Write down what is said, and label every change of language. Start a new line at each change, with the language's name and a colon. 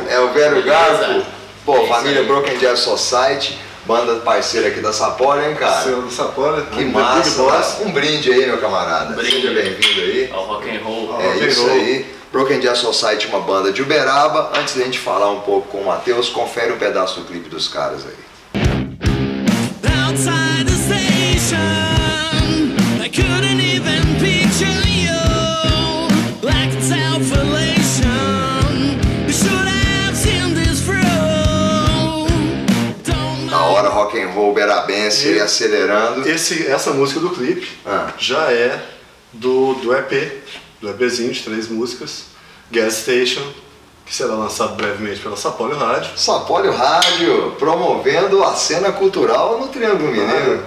Portuguese: É o velho Garfo. Pô, é família aí. Broken Jazz Society, banda parceira aqui da Sapora, hein, cara? Senhor do Sapora. Que massa. Mas um brinde aí, meu camarada. Um brinde. Seja bem-vindo aí. Ao rock and roll. É isso aí. Broken Jazz Society, uma banda de Uberaba. Antes da gente falar um pouco com o Matheus, confere um pedaço do clipe dos caras aí.
English: Outside the station, they couldn't even picture you. Black self-relation, you should have seen this through.
Portuguese: Na hora, rock and roll, berabense, e acelerando. Essa música do clipe já é do EP, do EPzinho de três músicas, Gas Station, que será lançado brevemente pela Sapólio Rádio. Sapólio Rádio, promovendo a cena cultural no Triângulo Mineiro.